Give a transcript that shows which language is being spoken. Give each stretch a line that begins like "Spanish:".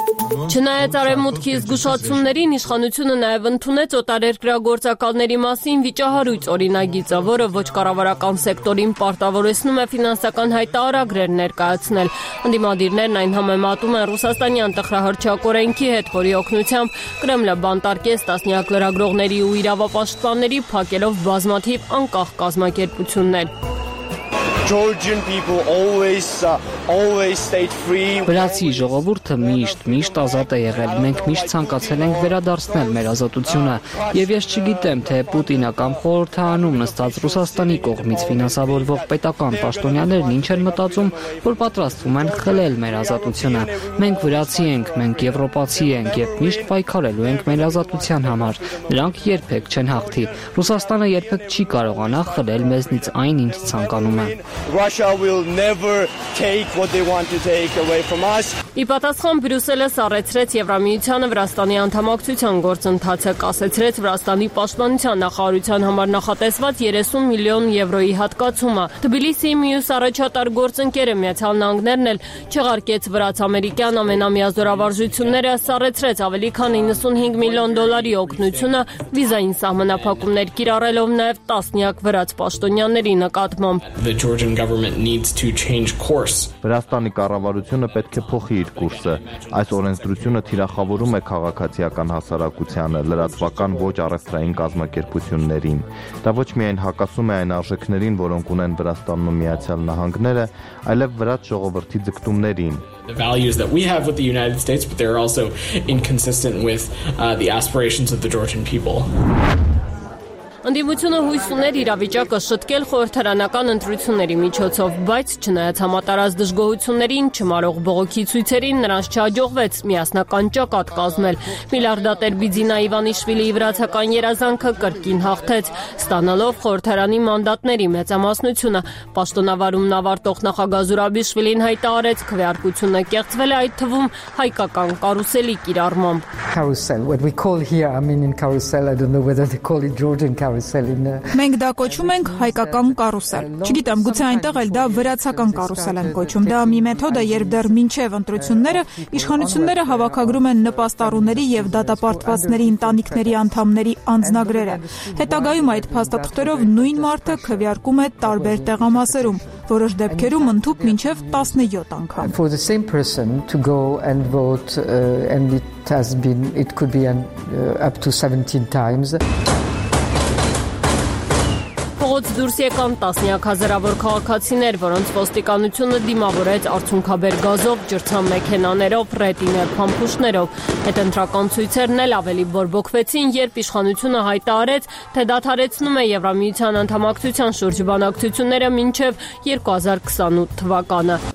Armenian: Չնայած արևմուտքի զգուշացումներին, իշխանությունը նաև ընդունեց օտարերկրագործակալների մասին վիճահարույց օրինագիծը, որը ոչ կառավարական սեկտորին պարտավորեցնում է ֆինանսական հայտարարագրեր ներկայացնել։ Ընդդիմադիրներն այն համեմատում են ռուսաստանի անտխրահրչակ օրենքի հետ, որի օգնությամբ Կրեմլը բանտարկեց տասնյակ լրագրողների ու իրավապաշտպանների, փակելով բազմաթիվ անկախ կազմակերպություններ։
English: Georgian people always stayed free.
Armenian: Բրացի ժողովուրդը միշտ ազատ է եղել։ Մենք միշտ ցանկացել ենք վերադարձնել մեր ազատությունը, եւ ես չգիտեմ, թե Պուտինը կամ խորհրդանում նստած Ռուսաստանի կողմից ֆինանսավորվող պետական պաշտոնյաներն ինչ են մտածում, որ պատրաստվում են խլել մեր ազատությունը։ Մենք վրացի ենք, մենք եվրոպացի ենք, եւ միշտ պայքարելու ենք մեր ազատության համար։ Նրանք երբեք չեն հաղթի։ Ռուսաստանը երբեք չի կարողանա խլել մեզնից այն, ինչ ցանկանում է։
English: Russia will never take what they want to take away from us.
Armenian: Ի պատասխան Բրյուսելը սառեցրեց Եվրամիությանը Վրաստանի անդամակցության գործընթացը, կասեցրեց Վրաստանի պաշտպանության նախարարության համար նախատեսված 30 միլիոն եվրոյի հատկացումը։ Թբիլիսիի մյուս առաջատար գործընկերը Միացյալ Նահանգներն էլ չեղարկեց վրաց-ամերիկյան ամենամիազորավարժությունները, սառեցրեց ավելի քան 95 միլիոն դոլարի օգնությունը, վիզային սահմանափակումներ կիրառելով նաև տասնյակ վրաց պաշտոնյաների նկատմամբ։
English: The Georgian government needs to change course.
Armenian: Վրաստանի կառավարությունը պետք է փոխի իր կուրսը։ Այս օրենսդրությունը թիրախավորում է քաղաքացիական հասարակությանը, լրատվական ոչ առևտրային կազմակերպություններին։ Դա ոչ միայն հակասում է այն արժեքներին, որոնք ունեն Վրաստանն ու Միացյալ Նահանգները, այլև վրաց ժողովրդի ձգտումներին։
English: The values that we have with the United States, but they're also inconsistent with the aspirations of the Georgian people.
Armenian: Ընդդիմությունը հույս ուներ իրավիճակը շտկել խորհրդարանական ընտրությունների միջոցով, բայց չնայած համատարած դժգոհություններին, չմարող բողոքի ցույցերին, նրանց չհաջողվեց միասնական ճակատ կազմել։ Միլիարդատեր Բիդինա Իվանիշվիլիի վրացական երազանքը կրկին հաղթեց, ստանալով խորհրդարանի մանդատների մեծամասնությունը։ Պաշտոնավարումն ավարտող նախագահ Զուրաբիշվիլին հայտարարեց, քվեարկությունը կեղծվել է այդ թվում հայկական կարուսելի կիրառմամբ։ Մենք դա կոչում ենք հայկական կարուսել։ Չգիտեմ, գուցե այնտեղ էլ դա վրացական կարուսել են կոչում։ Դա մի մեթոդ է, երբ դեռ մինչև ընտրությունները իշխանությունները հավաքագրում են նպաստառուների եւ դատապարտվածների ընտանիքների անդամների անձնագրերը։ Հետագայում այդ փաստաթղթերով նույն մարդը քվեարկում է տարբեր տեղամասերում, որոշ դեպքերում ընդհուպ մինչև 17 անգամ։
English: For the same person to go and vote and it has been it could be up to 17 times.
Armenian: Ոց դուրս եկան տասնյակ հազարավոր քաղաքացիներ, որոնց ոստիկանությունը դիմավորեց արցունքաբեր գազով, ջրցան մեքենաներով, ռետինե փամփուշներով։ Այդ ընտրական ցույցերն էլ ավելի բորբոքվեցին, երբ իշխանությունը հայտարարեց, թե դադարեցնում է Եվրամիության անդամակցության շուրջ բանակցությունները մինչև 2028 թվականը։